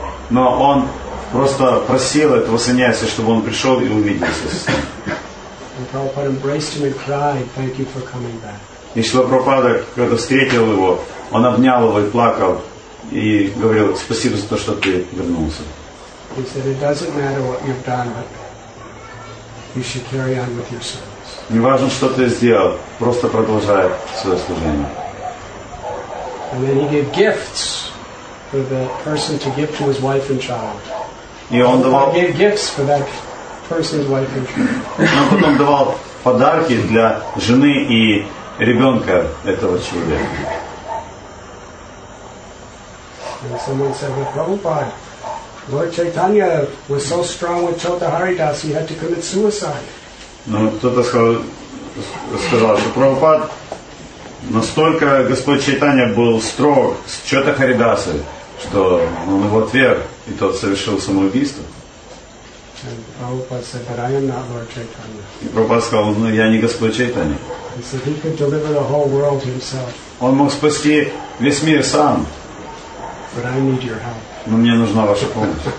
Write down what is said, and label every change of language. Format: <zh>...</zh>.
<ru>Но он просто просил этого саньяси, чтобы он пришел и увиделся с ним. И Шрила Прабхупада, когда встретил его, он обнял его и плакал, и говорил, спасибо за то, что ты вернулся.</ru> <en>He said, "It doesn't matter what you've done, but you should carry on with your service."</en> <ru>Неважно, что ты сделал, просто продолжай свое служение.</ru> <en>And then he gave gifts for the person to give to his wife and child.</en> <ru>И он давал.</ru> <en>He gave gifts for that person's wife and child.</en> <ru>Он потом давал подарки для жены и ребенка этого человека.</ru> <en>And someone said, "Well, Prabhupada." Lord Chaitanya was so strong with Chota Haridas, he had to commit suicide.</en> <ru>Но кто-то сказал, что Прабхупада настолько Господь Чайтанья был строг с Чота Харидасой, что он его отверг, и тот совершил самоубийство.</ru> <en>And Prabhupada said, but I am not Lord Chaitanya.</en> <ru>И Прабхупада сказал, ну я не Господь Чайтанья.</ru> <en>He said, he could deliver the whole world himself.</en> <ru>Он мог спасти весь мир сам.</ru> <en>But I need your help.</en> <ru>Но мне нужна ваша помощь.</ru>